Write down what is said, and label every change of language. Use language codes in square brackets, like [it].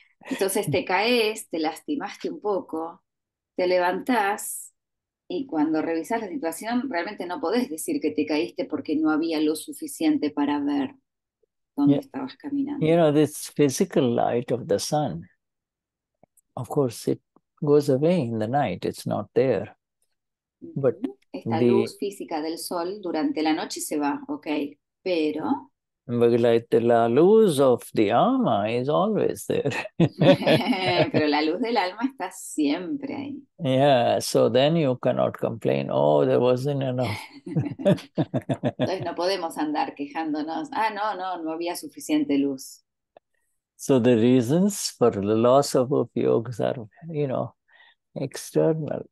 [es] Entonces te caes, te lastimaste un poco, te levantás, y cuando revisas la situación, realmente no podés decir que te caíste porque no había luz suficiente para ver dónde estabas caminando. [en] You know, this physical light of the sun, of course, it goes away in the night, it's not there. But [es] esta luz física del sol durante la noche se va, ok, pero... [en] Like [es] la luz [en] of the alma is always there. [es] Pero la luz del alma está siempre ahí. [en] Yeah, so then you cannot complain, oh, there wasn't enough. [es] Entonces no podemos andar quejándonos, ah, no, no, no había suficiente luz. [en] So the reasons for the loss of Upayogas are, you know, external.